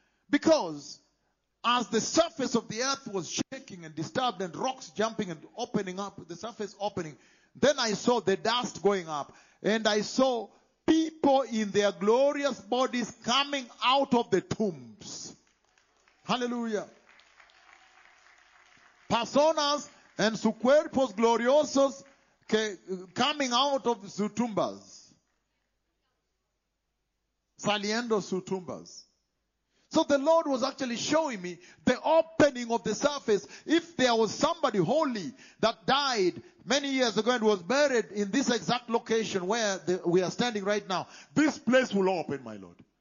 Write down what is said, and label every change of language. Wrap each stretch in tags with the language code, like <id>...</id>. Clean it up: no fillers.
<en>Because as the surface of the earth was shaking and disturbed and rocks jumping and opening up, the surface opening, then I saw the dust going up and I saw people in their glorious bodies coming out of the tombs. Hallelujah.</en> <es>Personas en su cuerpos gloriosos que,</es> <en>coming out of</en> <es>sus tumbas. Saliendo sus tumbas.</es> <en>So the Lord was actually showing me the opening of the surface. If there was somebody holy that died many years ago and was buried in this exact location where we are standing right now, this place will open, my Lord.</en>